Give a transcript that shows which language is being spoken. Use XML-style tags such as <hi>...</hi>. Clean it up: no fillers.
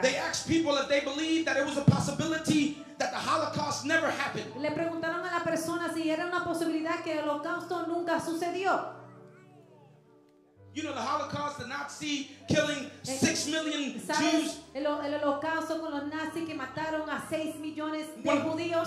<en>They asked people if they believed that it was a possibility that the Holocaust never happened.</en> <es>Le preguntaron a la persona si era una posibilidad que el Holocausto nunca sucedió.</es> <en>You know the Holocaust, the Nazi killing 6 million Jews.</en> <es>El Holocausto con los nazis que mataron a 6 millones de judíos.</es>